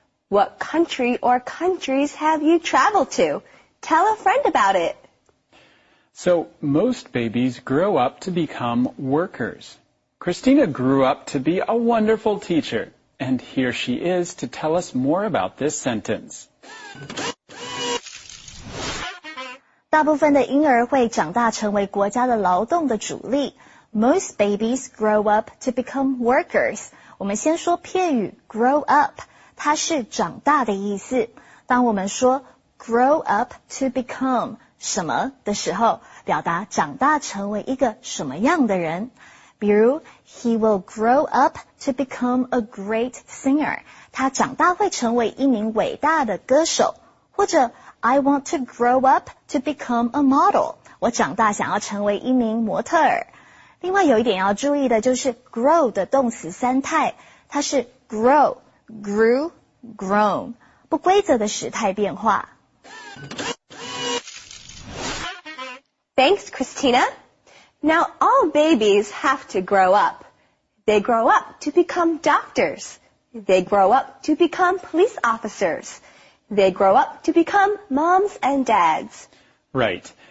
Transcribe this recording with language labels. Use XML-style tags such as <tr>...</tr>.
<en>What country or countries have you traveled to? Tell a friend about it. So, most babies grow up to become workers. Christina grew up to be a wonderful teacher. And here she is to tell us more about this sentence.</en> <zh>大部分的婴儿会长大成为国家的劳动的主力。</zh> <en>Most babies grow up to become workers.</en> <zh>我们先说片语 grow up, 它是长大的意思。当我们说 grow up to become 什么的时候，表达长大成为一个什么样的人。</zh> <en>比如 he will grow up to become a great singer.</en> <zh>他长大会成为一名伟大的歌手。</zh> <en>或者 I want to grow up to become a model.</en> <zh>我长大想要成为一名模特儿。另外有一点要注意的就是 grow 的动词三态。它是 grow, grew, grown, 不规则的时态变化。</zh> <en>Thanks, Christina. Now all babies have to grow up. They grow up to become doctors. They grow up to become police officers. They grow up to become moms and dads. Right.</en>